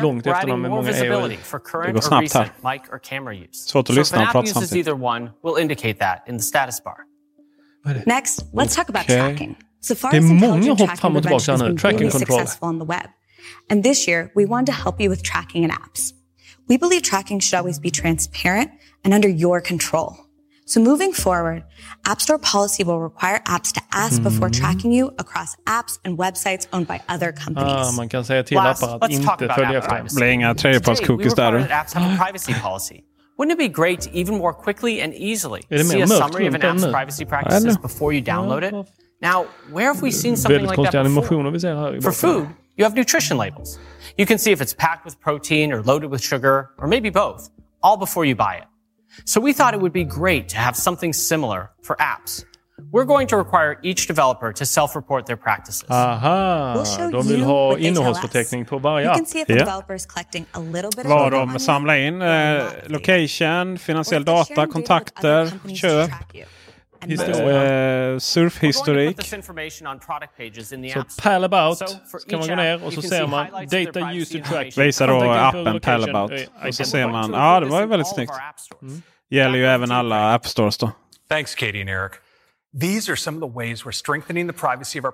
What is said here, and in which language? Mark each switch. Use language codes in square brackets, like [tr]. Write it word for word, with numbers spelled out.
[sv] Långt efter dem med många E U. Det går snabbt här. Svårt att lyssna och prata samtidigt. [en] We'll indicate that in the status bar. Next, let's talk about okay. tracking. Safari's so intelligent tracking prevention has been really successful on the web. And this year, we wanted to help you with tracking in apps. We believe tracking should always be transparent and under your control. So moving forward, App Store policy will require apps to ask mm. before tracking you across apps and websites owned by other companies. [sv] Ah, man kan säga till appar att inte följa efter. Det blir inga tredjepartskookies där. [en] We apps have a privacy policy. Wouldn't it be great to even more quickly and easily see a summary of an app's privacy practices before you download it? Now, where have we seen something like that before? For food, you have nutrition labels. You can see if it's packed with protein or loaded with sugar, or maybe both, all before you buy it. So we thought it would be great to have something similar for apps. We're going to require each developer to self-report their practices. [sv] Aha, we'll de vill ha innehållsförteckning på varje app. [en] Yeah. [sv] Vad de samlar in, eh, location, finansiell data, kontakter, köp, eh, surfhistorik. Så Palabout kan man gå ner och så ser man Data User Track. Visar då appen Palabout och så ser man, ja det var ju väldigt snyggt. Mm. Gäller ju även alla App Stores då. [en] Thanks Katie and Eric. These are some of the ways we're strengthening the privacy of our